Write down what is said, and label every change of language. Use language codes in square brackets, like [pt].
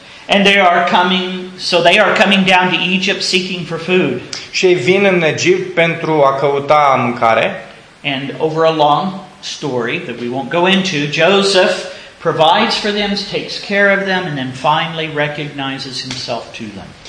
[en] And they are coming, so they are coming down to Egypt seeking for food. [ro] Și ei vin în Egipt pentru a căuta mâncare. [en] And over a long story that we won't go into, Joseph provides for them, takes care of them, and then finally recognizes himself to them.